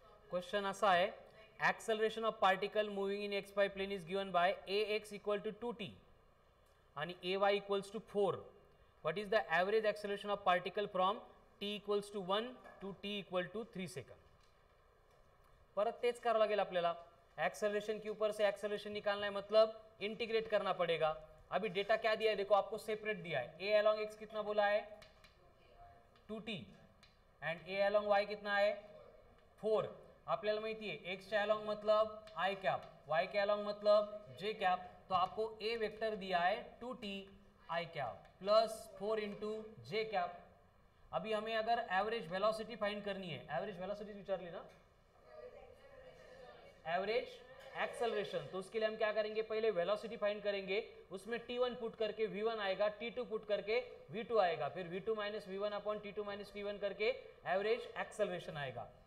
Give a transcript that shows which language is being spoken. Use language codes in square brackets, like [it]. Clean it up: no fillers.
[mr] Question असा आहे [en] acceleration of particle moving in x y plane is given by a x equal to 2t आणि a y equals to 4 what is the average acceleration of particle from t equals to 1 to t equal to 3 second [mr] परत तेच करावं लागेल आपल्याला [hi] acceleration के ऊपर से acceleration निकालना है, मतलब इंटीग्रेट करना पड़ेगा। अभी डेटा क्या दिया है देखो, आपको सेपरेट दिया है, ए अलोंग एक्स कितना बोला है 2t and a along Y कितना है 4। [mr] आपल्याला माहिती आहे एक्स च्या अलोंग [hi] मतलब आय कॅप, वाय के अलोंग मतलब जे कॅप, तो आपको ए वेक्टर दिया है 2t i cap plus 4 J cap. अभी हमें अगर एवरेज वेलोसिटी फाइंड करनी है, एवरेज वेलोसिटी विचार ली ना, एवरेज एक्सेलरेशन, तो उसके लिए हम क्या करेंगे, पहले वेलोसिटी फाइंड करेंगे, उसमें t1 पुट करके v1 आएगा, t2 पुट करके v2 आएगा, फिर v2 minus v1 upon t2 minus v1 करके एवरेज एक्सेलरेशन आएगा।